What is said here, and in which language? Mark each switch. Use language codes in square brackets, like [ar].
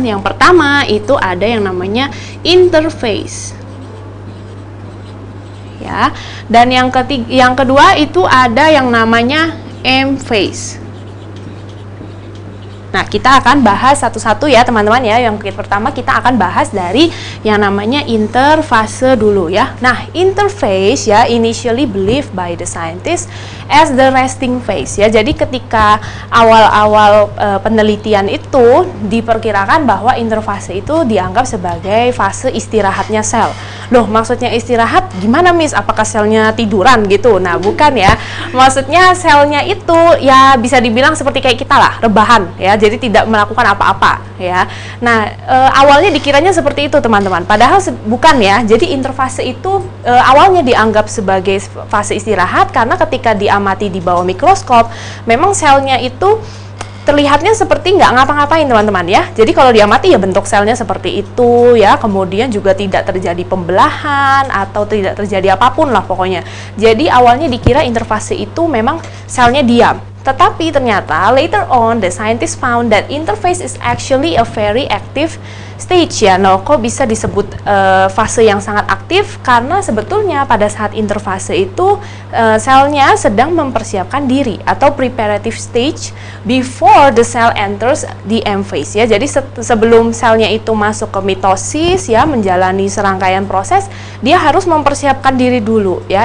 [id] Yang pertama itu ada yang namanya interphase, ya. Dan yang kedua itu ada yang namanya M-phase. Nah, kita akan bahas satu-satu ya teman-teman ya. Yang pertama kita akan bahas dari yang namanya interfase dulu ya. [en] Nah, interphase ya initially believed by the scientist as the resting phase, ya. [id] Jadi ketika awal-awal penelitian itu diperkirakan bahwa interfase itu dianggap sebagai fase istirahatnya sel. Loh, maksudnya istirahat gimana miss? Apakah selnya tiduran gitu? Nah, bukan ya. Maksudnya selnya itu ya bisa dibilang seperti kayak kita lah, rebahan ya. Jadi tidak melakukan apa-apa ya. Nah, awalnya dikiranya seperti itu teman-teman. Padahal bukan ya. Jadi interfase itu awalnya dianggap sebagai fase istirahat karena ketika diamati di bawah mikroskop, memang selnya itu terlihatnya seperti nggak ngapa-ngapain teman-teman ya. Jadi kalau diamati ya bentuk selnya seperti itu ya. Kemudian juga tidak terjadi pembelahan atau tidak terjadi apapun lah pokoknya. Jadi awalnya dikira interfase itu memang selnya diam. Tetapi ternyata [en] later on the scientist found that interphase is actually a very active stage ya. [id] Nah, kok bisa disebut fase yang sangat aktif? Karena sebetulnya pada saat interfase itu selnya sedang mempersiapkan diri atau [en] preparative stage before the cell enters the M phase [id] ya. Jadi sebelum selnya itu masuk ke mitosis ya, menjalani serangkaian proses, dia harus mempersiapkan diri dulu ya.